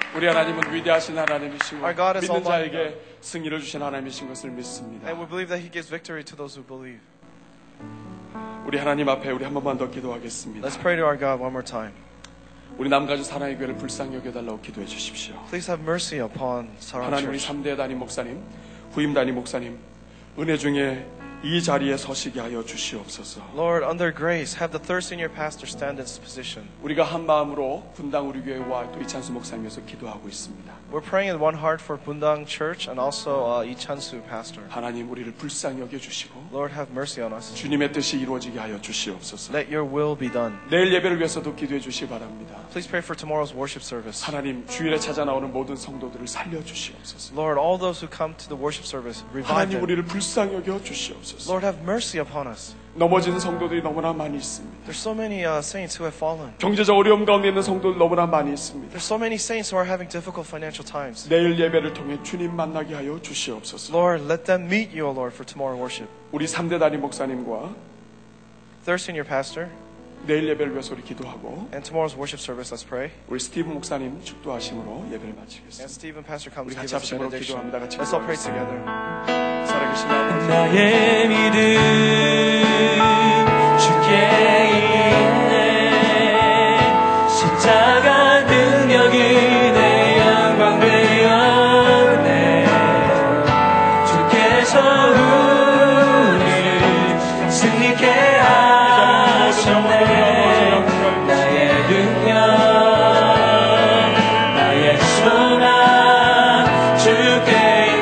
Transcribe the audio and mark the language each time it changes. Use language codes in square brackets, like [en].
[ko] 우리 하나님은 위대하신 하나님이시고 [en] Our God is [ko] 믿는 [en] Almighty [ko] 자에게 God. 승리를 주신 하나님이신 것을 믿습니다. [en] And we believe that He gives victory to those who believe. [ko] 우리 하나님 앞에 우리 한 번만 더 기도하겠습니다. [en] Let's pray to our God one more time. [ko] 우리 남가주 사랑의 교회를 불쌍히 여겨달라고 기도해 주십시오. [en] Please have mercy upon Sarah. [ko] 하나님 우리 3대 단임 목사님, 후임 단임 목사님, 은혜 중에 이 자리에 서시게 하여 주시옵소서. [en] Lord, under grace, have the third senior pastor stand in this position. [ko] 우리가 한 마음으로 분당 우리 교회와 또 이찬수 목사님께서 기도하고 있습니다. [en] We're praying in one heart for Bundang Church and also Lee Chan-soo pastor. [ko] 하나님 우리를 불쌍히 여겨 주시고. [en] Lord, have mercy on us. [ko] 주님의 뜻이 이루어지게 하여 주시옵소서. [en] Let your will be done. [ko] 내일 예배를 위해서도 기도해 주시기 바랍니다. [en] Please pray for tomorrow's worship service. [ko] 하나님 주일에 찾아 나오는 모든 성도들을 살려 주시옵소서. [en] Lord, all those who come to the worship service, revive them. [ko] 하나님 우리를 불쌍히 여겨 주시옵소서. [en] Lord, have mercy upon us. [ko] 넘어진 성도들이 너무나 많이 있습니다. [en] There's so many saints who have fallen. [ko] 경제적 어려움 가운데 있는 성도들 너무나 많이 있습니다. [en] There's so many saints who are having difficult financial times. [ko] 내일 예배를 통해 주님 만나게 하여 주시옵소서. [en] Lord, let them meet you, O Lord, for tomorrow worship. [ko] 우리 3대 단임 목사님과 [en] Third senior pastor. [ko] 내일 예배를 위해서 우리 기도하고 [en] And tomorrow's worship service, let's pray. [ko] 우리 스티븐 목사님 축도하심으로 예배를 마치겠습니다. [en] And Stephen, pastor, come [ko] 우리 같이 합심으로 기도합니다. 같이 [en] let's all pray together. [ko] 나의 믿음 주께 있네 십자가 능력이 내 영광 되었네 주께서 우리를 승리케 하셨네 나의 능력 나의 소망 주께